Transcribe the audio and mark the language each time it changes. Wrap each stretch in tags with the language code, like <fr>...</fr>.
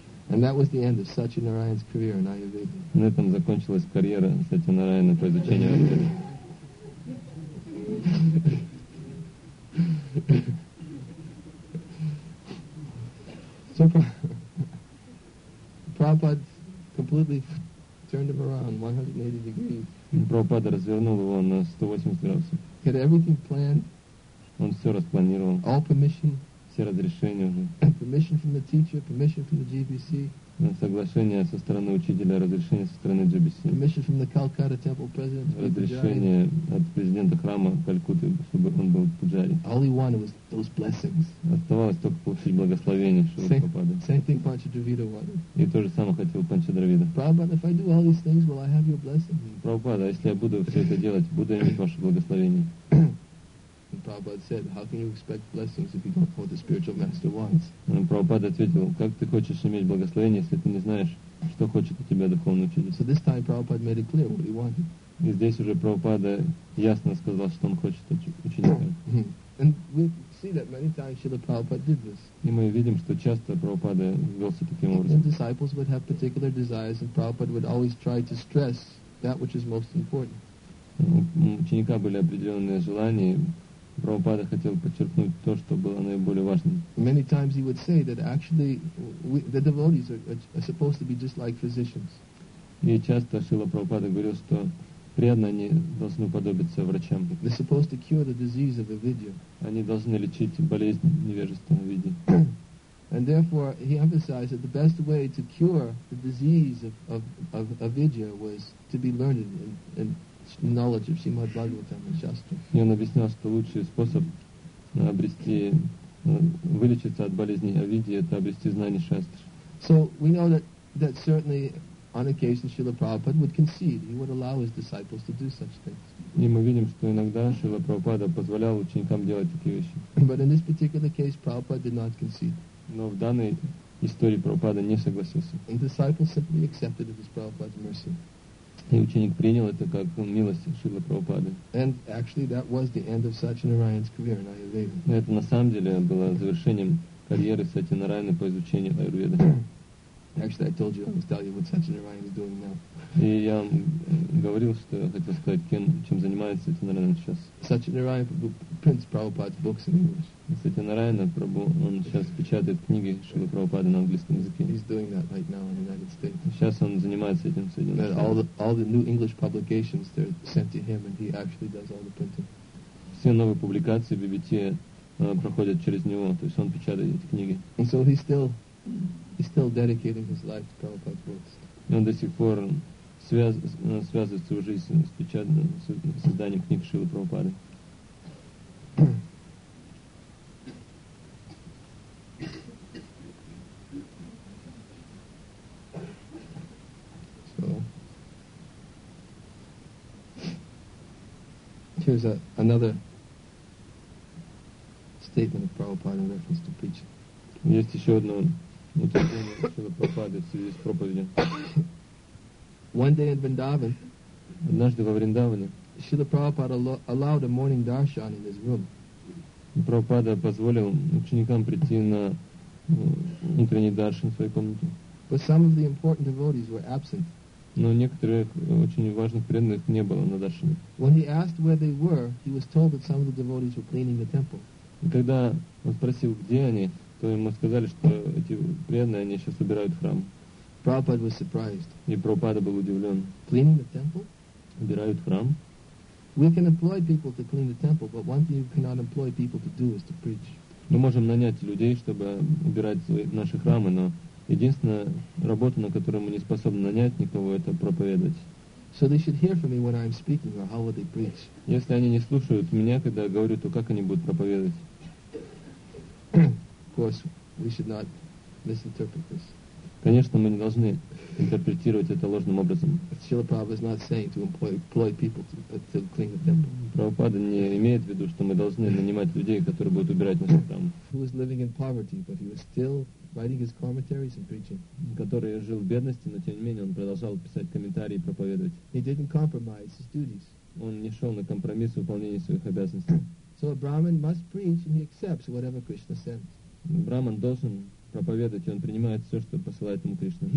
<en>And that was the end of Satyanarayan's career in Ayurveda.</en> <ru>На этом закончилась карьера Сатьянараяна по изучению Аюрведы.</ru> <en>So Prabhupada completely turned him around 180 degrees.</en> <ru>Прабхупада развернул его на 180 градусов.</ru> <en>He had everything planned.</en> <ru>Он все распланировал.</ru> <en>All permission.</en> <ru>Все разрешения уже.</ru> <en>Permission from the teacher. Permission from the GBC.</en> <ru>Соглашение со стороны учителя, разрешение со стороны GBC.</ru> <en>Permission from the Calcutta temple president.</en> <ru>Разрешение от президента храма Калькутты, чтобы он был пуджари.</ru> <en>All he wanted was those blessings.</en> <ru>Оставалось только получить благословение, чтобы попадать.</ru> <en>Same thing Pancha Dravida wanted.</en> <ru>И то же самое хотел Панча Дравида.</ru> <en>Prabhupada, if I do all these things, will I have your blessing?</en> <ru>Прабхупада, если я буду все это делать, буду иметь ваше благословение.</ru> <en>And Prabhupada said, "How can you expect blessings if you don't know what the spiritual master wants?" And</en> <ru>Prabhupada ответил, "Как ты хочешь иметь благословение, если ты не знаешь, что хочет от тебя духовный учитель?"</ru> <en>So this time Prabhupada made it clear what he wanted.</en> <ru>И здесь уже Прабхупада ясно сказал, что он хочет от ученика.</ru> <en>And we see that many times Srila Prabhupada did this.</en> <ru>И мы видим, что часто Прабхупада велся таким образом.</ru> <en>The disciples would have particular desires, and Prabhupada would always try to stress that which is most important.</en> <ru>Ученика были определенные желания. Прабхупада хотел подчеркнуть то, что было наиболее важным.</ru> <en>Many times he would say that actually the devotees are supposed to be just like physicians.</en> <ru>И часто Шрила Прабхупада говорил, что преданные должны уподобиться врачам.</ru> <en>They're supposed to cure the disease of avidya.</en> <ru>Они должны лечить болезнь невежества виде.</ru> <en>And therefore he emphasized that the best way to cure the disease of avidya was to be learned in knowledge of Srimad Bhagavatam and Shastra.</en> <ru>И он объяснял, что лучший способ обрести, вылечиться от болезни авидьи, это обрести знание Шастры.</ru> <en>So we know that certainly on occasion Srila Prabhupada would concede. He would allow his disciples to do such things.</en> <ru>И мы видим, что иногда Шрила Прабхупада позволял ученикам делать такие вещи.</ru> <en>But in this particular case Prabhupada did not concede.</en> <ru>Но в данной истории Прабхупада не согласился.</ru> <en>And disciples simply accepted it as Prabhupada's mercy.</en> <ru>И ученик принял это как милость Шрилы Прабхупады.</ru> <en>And actually that was the end of Satyanarayan's career in Ayurveda.</en> <ru>Это на самом деле было завершением карьеры Сатьянараяны по изучению Аюрведы.</ru> <en>Actually I told you, I was telling you what Satyanarayan is doing now.</en> <ru>И я говорил, что хотел сказать, чем занимается Сатьянараяна сейчас.</ru> <en>Satyanarayan prints Prabhupada's books in English.</en> <ru>Сатьянараяна, он сейчас печатает книги Шрилы Прабхупады на английском языке.</ru> <en>He's doing that right now in the United States.</en> <ru>Сейчас он занимается этим в Соединенных Штатах.</ru> <en>All the new English publications, they're sent to him, and he actually does all the printing.</en> <ru>Все новые публикации BBT проходят через него, то есть он печатает эти книги.</ru> <en>And so he's still dedicating his life to Prabhupada's books.</en> <ru>И он до сих пор связывает свою жизнь с созданием книг Шрилы Прабхупады.</ru> <en>Here's another statement of Prabhupada in reference to preaching.</en> <ru>Есть еще одно утверждение Шрилы Прабхупады в связи с проповедью.</ru> <en>One day in Vrindavan,</en> <ru>однажды во Вриндаване,</ru> <en>Шрила Прабхупада allowed a morning darshan in his room.</en> <ru>Прабхупада позволил ученикам прийти на утренний даршан в своей комнате.</ru> <en>But some of the important devotees were absent.</en> <ru>Но некоторых очень важных преданных не было на даршане.</ru> <en>When he asked where they were, he was told that some of the devotees were cleaning the temple.</en> <ru>И когда он спросил, где они, то ему сказали, что эти преданные, они сейчас убирают храм.</ru> <en>Prabhupada was surprised.</en> <ru>И Прабхупада был удивлен.</ru> <en>Cleaning the temple?</en> <ru>Убирают храм.</ru> <en>We can employ people to clean the temple, but one thing you cannot employ people to do is to preach.</en> <ru>Мы можем нанять людей, чтобы убирать наши храмы, но единственная работа, на которую мы не способны нанять никого, это проповедовать.</ru> <en>So they should hear from me when I'm speaking, or how will they preach?</en> <ru>Если они не слушают меня, когда я говорю, то как они будут проповедовать?</ru> <en>Of course, we should not misinterpret this.</en> <ru>Конечно, мы не должны интерпретировать это ложным образом.</ru> <en>Srila Prabhupada is not saying to employ people to clean the temple.</en> <ru>Prabhupada не имеет в виду, что мы должны нанимать людей, которые будут убирать наши храмы.</ru> <en>Who was living in poverty, but he was still writing his commentaries and preaching.</en> <ru>Который жил в бедности, но тем не менее он продолжал писать комментарии и проповедовать.</ru> <en>He didn't compromise his duties.</en> <ru>Он не шел на компромисс в выполнении своих обязанностей.</ru> <en>So a Brahmin must preach and he accepts whatever Krishna sends.</en> <ru>Брахман должен проповедовать, и он принимает все, что посылает ему Кришна.</ru>